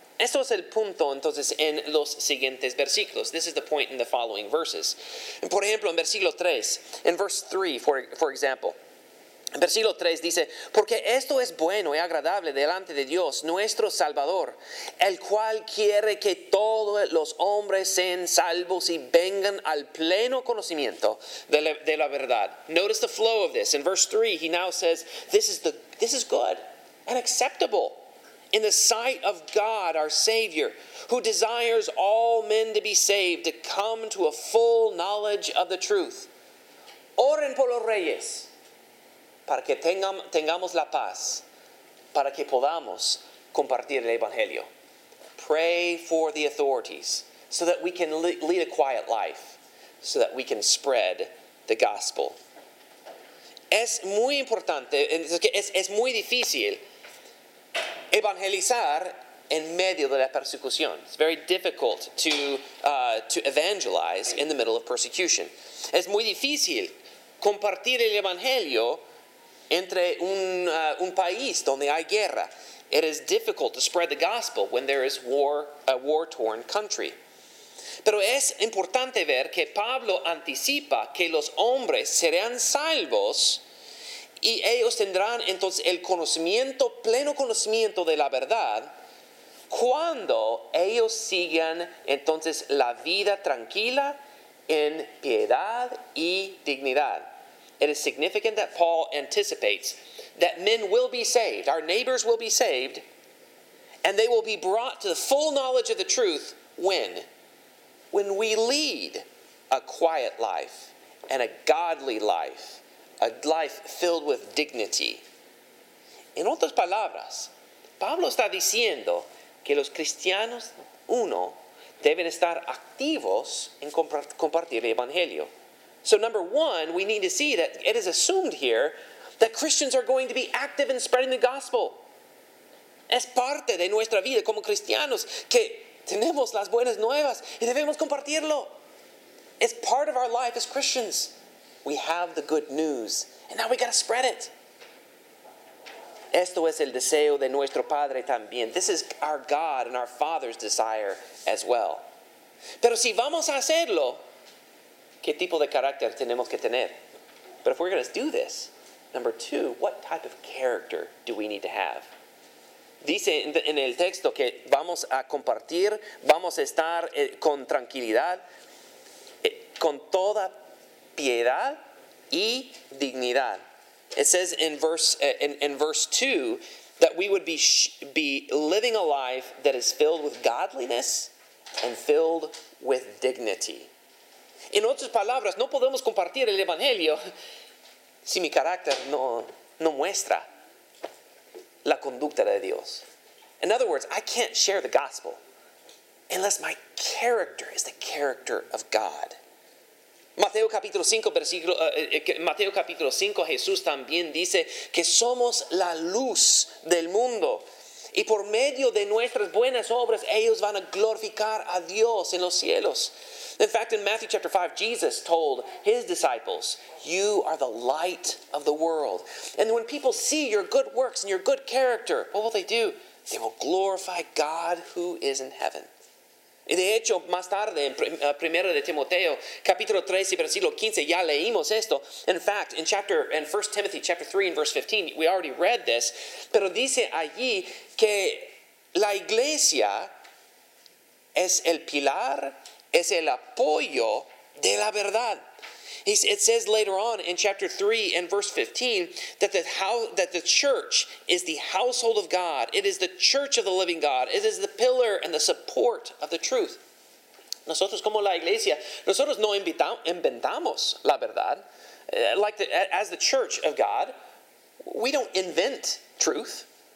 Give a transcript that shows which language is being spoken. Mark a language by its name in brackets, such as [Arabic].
[Spanish] Esto es el punto, entonces, en los siguientes versículos. [English] This is the point in the following verses. [Spanish] Por ejemplo, en versículo 3, [English] in verse 3, for example. [Spanish] En versículo 3 dice, porque esto es bueno y agradable delante de Dios, nuestro Salvador, el cual quiere que todos los hombres sean salvos y vengan al pleno conocimiento de la verdad. [English] Notice the flow of this. In verse 3, he now says, this is good and acceptable in the sight of God, our Savior, who desires all men to be saved, to come to a full knowledge of the truth. [Spanish] Oren por los reyes, para que tengamos la paz, para que podamos compartir el Evangelio. [English] Pray for the authorities, so that we can lead a quiet life, so that we can spread the gospel. [Spanish] Es muy importante, es muy difícil evangelizar en medio de la persecución. [English] It's very difficult to evangelize in the middle of persecution. [Spanish] Es muy difícil compartir el Evangelio entre un país donde hay guerra. [English] It is difficult to spread the gospel when there is war, a war-torn country. [Spanish] Pero es importante ver que Pablo anticipa que los hombres serán salvos y ellos tendrán entonces el conocimiento, pleno conocimiento de la verdad, cuando ellos sigan entonces la vida tranquila en piedad y dignidad. [English] It is significant that Paul anticipates that men will be saved, our neighbors will be saved, and they will be brought to the full knowledge of the truth when we lead a quiet life and a godly life, a life filled with dignity. [Spanish] En otras palabras, Pablo está diciendo que los cristianos, uno, deben estar activos en compartir el Evangelio. [English] So number one, we need to see that it is assumed here that Christians are going to be active in spreading the gospel. [Spanish] Es parte de nuestra vida como cristianos que tenemos las buenas nuevas y debemos compartirlo. [English] It's part of our life as Christians. We have the good news, and now we got to spread it. [Spanish] Esto es el deseo de nuestro Padre también. [English] This is our God and our Father's desire as well. [Spanish] Pero si vamos a hacerlo, ¿qué tipo de carácter tenemos que tener? [English] But if we're going to do this, number two, what type of character do we need to have? [Spanish] Dice en el texto que vamos a compartir, vamos a estar con tranquilidad, con toda piedad y dignidad. [English] It says in verse 2 that we would be living a life that is filled with godliness and filled with dignity. [Spanish] En otras palabras, no podemos compartir el Evangelio si mi carácter no muestra la conducta de Dios. [English] In other words, I can't share the gospel unless my character is the character of God. [Spanish] Mateo capítulo 5, Mateo capítulo 5, Jesús también dice que somos la luz del mundo. Y por medio de nuestras buenas obras, ellos van a glorificar a Dios en los cielos. [English] In fact, in Matthew chapter 5, Jesus told his disciples, "You are the light of the world." And when people see your good works and your good character, what will they do? They will glorify God who is in heaven. [Spanish] Y de hecho, más tarde, en 1 de Timoteo, capítulo 13, versículo 15, ya leímos esto. [English] In fact, in 1 Timothy chapter 3 and verse 15, we already read this. [Spanish] Pero dice allí que la iglesia es el pilar, es el apoyo de la verdad. [English] It says later on in chapter 3 and verse 15 that the church is the household of God. It is the church of the living God. It is the pillar and the support of the truth. [Spanish] Nosotros como la iglesia, nosotros no inventamos la verdad. [English] As the church of God, we don't invent truth.